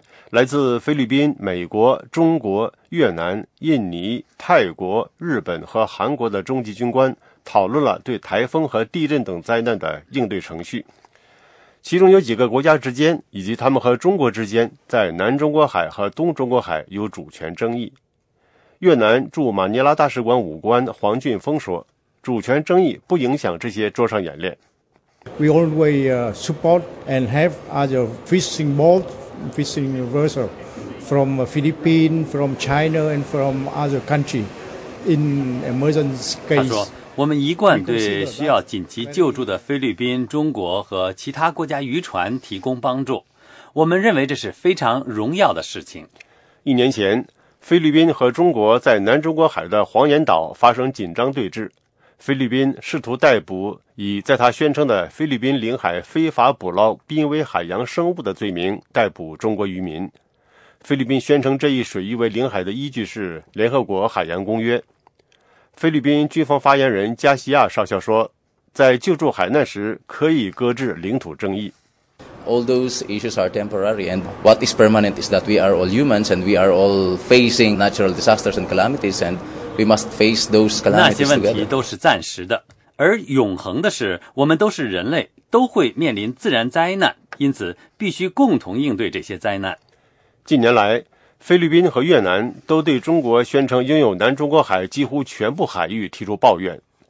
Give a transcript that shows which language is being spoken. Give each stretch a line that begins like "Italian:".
Chinese: 来自菲律宾、美国、中国、越南、印尼、泰国、日本和韩国的中级军官讨论了对台风和地震等灾难的应对程序。其中有几个国家之间以及他们和中国之间在南中国海和东中国海有主权争议。越南驻马尼拉大使馆武官黄俊峰说，主权争议不影响这些桌上演练。
English: We always support and have other fishing boats. Fishing vessel from Philippines, from China, and from other countries in emergency case.
Chinese: 他说，我们一贯对需要紧急救助的菲律宾、中国和其他国家渔船提供帮助。我们认为这是非常荣耀的事情。一年前，菲律宾和中国在南中国海的黄岩岛发生紧张对峙。菲律宾试图逮捕以在他宣称的菲律宾领海非法捕捞濒危海洋生物的罪名逮捕中国渔民。菲律宾宣称这一水域为领海的依据是联合国海洋公约。菲律宾军方发言人加西亚少校说，在救助海难时可以搁置领土争议。
English: All those issues are temporary, and what is permanent is that we are all humans and we are all facing natural disasters and calamities, and we must face those calamities together.
Chinese: 那些问题都是暂时的，而永恒的是，我们都是人类，都会面临自然灾难，因此必须共同应对这些灾难。近年来，菲律宾和越南都对中国宣称拥有南中国海几乎全部海域提出抱怨。